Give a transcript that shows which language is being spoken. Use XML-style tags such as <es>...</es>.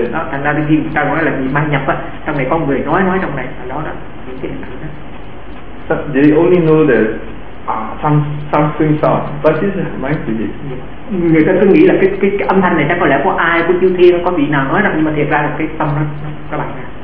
<vi>Thành ra đôi khi người ta nói là bị ma nhập á, trong này có người nói trong này là đó. Những cái này.</vi> <en>They only know that something sound, but this is my belief.</en> <vi>Người ta cứ nghĩ là cái âm thanh này chắc có lẽ có ai, có chư thiên, có vị nào nói rằng, nhưng mà thiệt ra là cái tâm đó các bạn nè.</vi>